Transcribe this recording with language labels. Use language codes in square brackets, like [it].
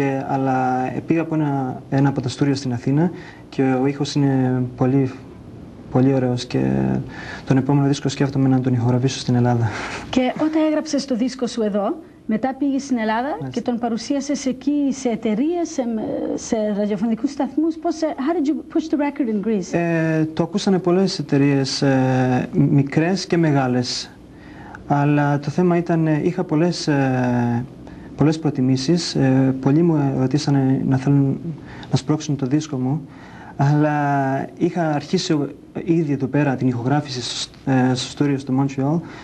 [el] Αλλά πήγα από ένα από τα στούριο στην Αθήνα και ο ήχος είναι πολύ, πολύ ωραίος και τον επόμενο δίσκο σκέφτομαι να τον ηχογραφήσω στην Ελλάδα. Και όταν έγραψες το δίσκο σου εδώ, μετά πήγες στην Ελλάδα και τον παρουσίασες εκεί σε εταιρείες, σε ραδιοφωνικούς σταθμούς. [en] How did you push the record in Greece? [el] Το ακούσανε πολλές εταιρείες, μικρές και μεγάλες. Αλλά το θέμα ήταν, είχα πολλές προτιμήσεις. Πολλοί μου ρωτήσανε να θέλουν να σπρώξουν το δίσκο μου. Αλλά είχα αρχίσει ήδη εδώ πέρα την ηχογράφηση στο στούριο στο Montreal.